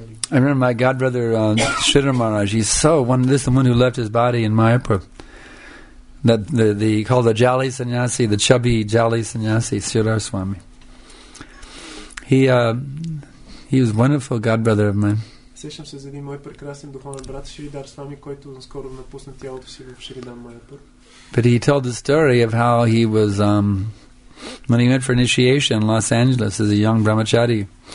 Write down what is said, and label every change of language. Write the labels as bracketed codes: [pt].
[en] I remember my godbrother, Sridhar Maharaj, he's so, one, this is the one who left his body in Mayapur, that the called the Jali Sannyasi, the chubby Jali Sannyasi, Sridhar Swami. He was a wonderful godbrother of mine. [bg] Сещам се за един мой прекрасен духовен брат Шридар Свами, който скоро напусна тялото си в Шридар Майапур. [en] But he told the story of how he was when he went for initiation in Los Angeles as a young brahmachari.